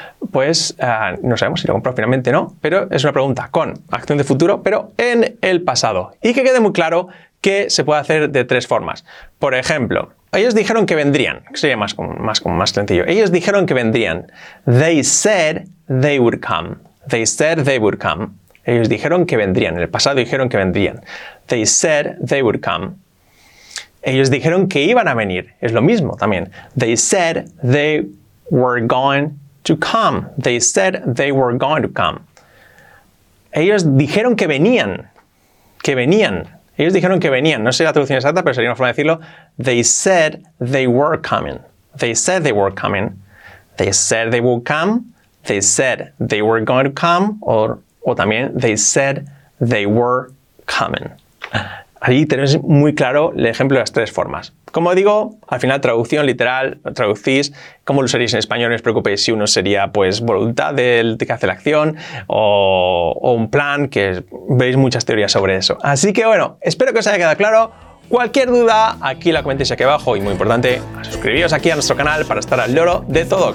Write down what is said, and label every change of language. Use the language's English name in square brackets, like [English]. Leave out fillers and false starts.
[Spanish] Pues no sabemos si lo compró finalmente, ¿no? Pero es una pregunta con acción de futuro, pero en el pasado. Y que quede muy claro que se puede hacer de tres formas. Por ejemplo, ellos dijeron que vendrían. Sería más sencillo. Ellos dijeron que vendrían. [English] They said they would come. They said they would come. [Spanish] Ellos dijeron que vendrían. En el pasado dijeron que vendrían. [English] They said they would come. [Spanish] Ellos dijeron que iban a venir. Es lo mismo también. [English] They said they were going to come. They said they were going to come. [Spanish] Ellos dijeron que venían. Que venían. Ellos dijeron que venían. No sé la traducción exacta, pero sería una forma de decirlo. [English] They said they were coming. They said they were coming. They said they would come. They said they were going to come. [Spanish] O también, [English] they said they were coming. [Spanish] Ahí tenéis muy claro el ejemplo de las tres formas. Como digo, al final traducción literal, lo traducís, ¿cómo lo usaréis en español? No os preocupéis si uno sería pues voluntad del que hace la acción o un plan, que veréis muchas teorías sobre eso. Así que bueno, espero que os haya quedado claro. Cualquier duda, aquí la comentéis aquí abajo y muy importante, suscribíos aquí a nuestro canal para estar al loro de todo.